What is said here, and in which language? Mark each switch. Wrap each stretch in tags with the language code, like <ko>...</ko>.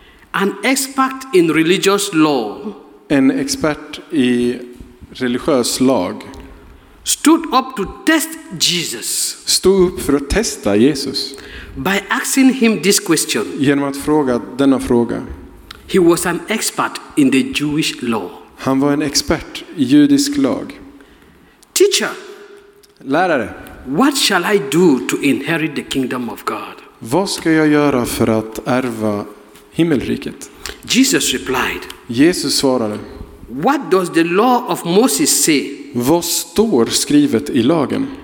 <en>An expert in religious law.</en> <sv>En expert i religiös lag.</sv> <en>Stood up to test Jesus.</en> <sv>Stod upp för att testa Jesus.</sv> <en>By asking him this question.</en> <sv>Genom att fråga denna fråga.</sv> <en>He was an expert in the Jewish law.</en> <sv>Han var en expert i judisk lag.</sv> <en>Teacher.</en> <sv>Lärare.</sv> <en>What shall I do to inherit the kingdom of God?</en> <sv>Vad ska jag göra för att ärva himmelriket?</sv> <en>Jesus replied.</en> <sv>Jesus svarade.</sv> <en>What does the law of Moses say?</en> <sv>Vad står skrivet i lagen?</sv>